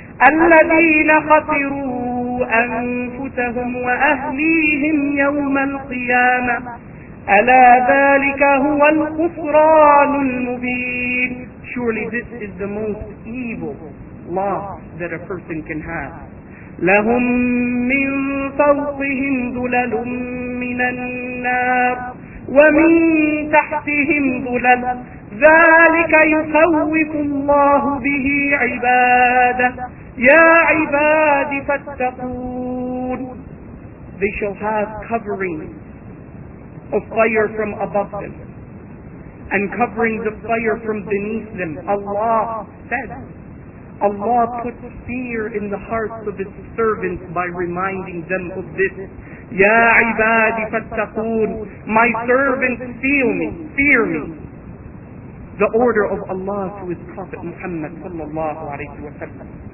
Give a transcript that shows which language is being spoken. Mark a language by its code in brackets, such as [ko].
[ar] الَّذِينَ خَسِرُوا أَنفُسَهُمْ وَأَهْلِيهِمْ يَوْمَ الْقِيَامَةِ أَلَا ذَلِكَ هُوَ الْخُسْرَانُ الْمُبِينُ [en] Surely this is the most evil loss that a person can have. [ar] لَهُمْ مِنْ فَوْقِهِمْ ذُلَلٌ مِنَ النَّارِ وَمِنْ تَحْتِهِمْ ظُلَلٌ ذَلِكَ يُخَوِّفُ اللَّهُ بِهِ عِبَادَهُ يَا عِبَادِ فَاتَّقُونَ [en] They shall have covering of fire from above them and coverings of fire from beneath them. Allah said, Allah put fear in the hearts of His servants by reminding them of this. [ar] يَا عِبَادِ فَاتَّقُونَ [en] My servants, feel me, fear me. The order of Allah to His Prophet Muhammad sallallahu alayhi wa sallam.